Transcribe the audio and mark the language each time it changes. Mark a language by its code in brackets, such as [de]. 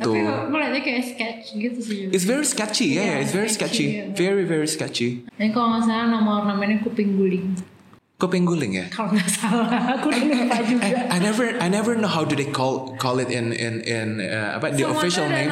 [id] Tapi aku liatnya kayak sketch gitu sih. [en] It's very sketchy, it's very sketchy. Very, very sketchy. [id] Ini kalau gak salah nama ornamennya Kuping Guling. Kuping Guling ya? Kalau gak salah, aku udah lupa juga. [en] I never know how do they call it in the official names.